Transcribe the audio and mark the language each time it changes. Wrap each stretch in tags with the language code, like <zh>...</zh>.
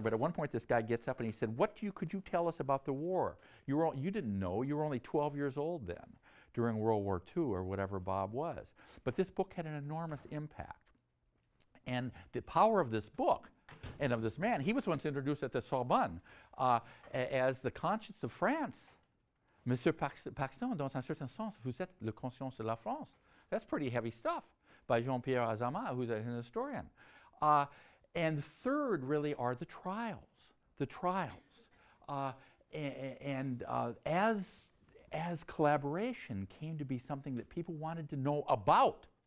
<en>But at one point, this guy gets up and he said, "Could you tell us about the war? You didn't know. You were only 12 years old then." During World War II or whatever Bob was. But this book had an enormous impact. And the power of this book and of this man, he was once introduced at the Sorbonne as the conscience of France.</en> <fr>Monsieur Paxton, dans un certain sens, vous êtes le conscience de la France.</fr> <en>That's pretty heavy stuff by Jean-Pierre Azama, who's an historian. And third really are the trials. The trials. As collaboration came to be something that people wanted to know about.</en>